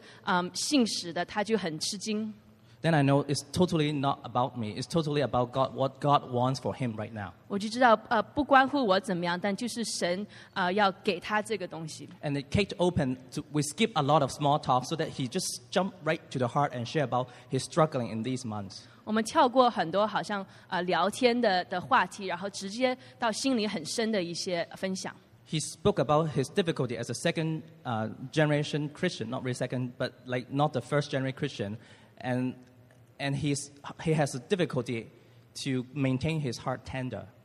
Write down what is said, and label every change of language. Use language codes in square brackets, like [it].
[zh] 当我跟他分享说Benaiah这个人不只是个勇士，他一直到最后都是信实的，他就很吃惊。 [en] Then I know it's totally not about me. It's totally about God, what God wants for him right now. [zh] 我就知道不关乎我怎么样，但就是神要给他这个东西。 [en] And it kicked open. We skipped a lot of small talk so that he just jumped right to the heart and shared about his struggling in these months. [zh] 我们跳过很多好像聊天的话题，然后直接到心里很深的一些分享。 [en] He spoke about his difficulty as a second generation Christian, not really second, but like not the first generation Christian, and he has a difficulty to maintain his heart tender.